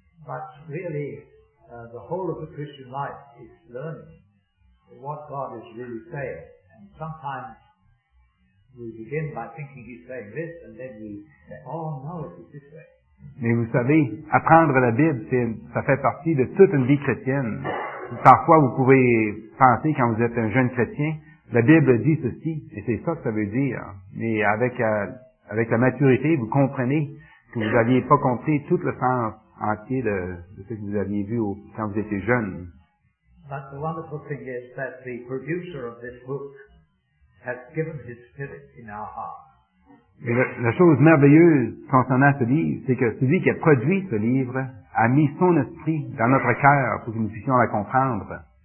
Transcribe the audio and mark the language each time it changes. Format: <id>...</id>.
<en>But really, the whole of the Christian life is learning what God is really saying. And sometimes we begin by thinking He's saying this, and then we say, oh no, it's this way.</en> <fr>Mais vous savez, apprendre la Bible, ça fait partie de toute une vie chrétienne. Parfois, vous pouvez penser, quand vous êtes un jeune chrétien, la Bible dit ceci, et c'est ça que ça veut dire. Mais avec la maturité, vous comprenez que vous n'aviez pas compris tout le sens entier de ce que vous aviez vu quand vous étiez jeune.</fr> <en>But the wonderful thing is that the producer of this book has given his spirit in our heart.</en> <fr>Et la chose merveilleuse concernant ce livre, c'est que celui qui a produit ce livre a mis son esprit dans notre cœur pour que nous puissions la comprendre.</fr>